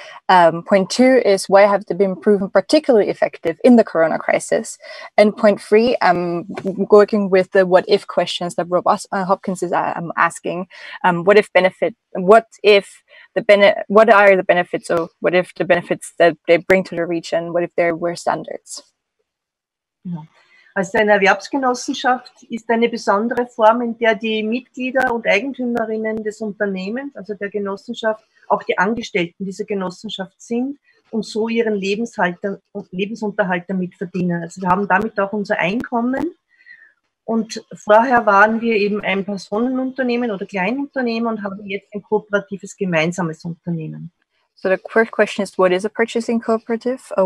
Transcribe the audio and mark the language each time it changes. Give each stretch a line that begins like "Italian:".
English: Point two is, why have they been proven particularly effective in the corona crisis? And point three, I'm working with the what if questions that Rob Hopkins is asking. What are the benefits, or what if the benefits that they bring to the region, what if there were standards?
German: Also eine Erwerbsgenossenschaft ist eine besondere Form, in der die Mitglieder und Eigentümerinnen des Unternehmens, also der Genossenschaft, auch die Angestellten dieser Genossenschaft sind und so ihren Lebensunterhalt damit verdienen. Also wir haben damit auch unser Einkommen. Und vorher waren wir eben ein Personenunternehmen oder Kleinunternehmen und haben jetzt ein kooperatives gemeinsames Unternehmen.
English: So the first question is, what is a purchasing cooperative?